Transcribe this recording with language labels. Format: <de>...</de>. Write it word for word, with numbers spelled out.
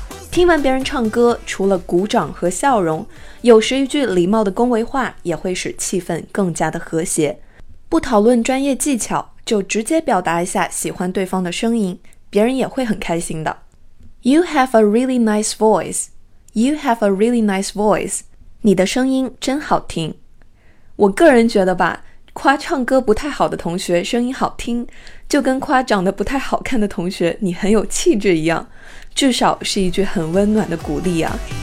<zh>听完别人唱歌，除了鼓掌和笑容，有时一句礼貌的恭维话也会使气氛更加的和谐。不讨论专业技巧，就直接表达一下喜欢对方的声音，别人也会很开心的。</zh> <en>You have a really nice voice. You have a really nice voice.</en> <zh>你的声音真好听。我个人觉得吧，夸唱歌不太好的同学声音好听，就跟夸长得不太好看的同学你很有气质一样，至少是一句很温暖的鼓励啊。</zh>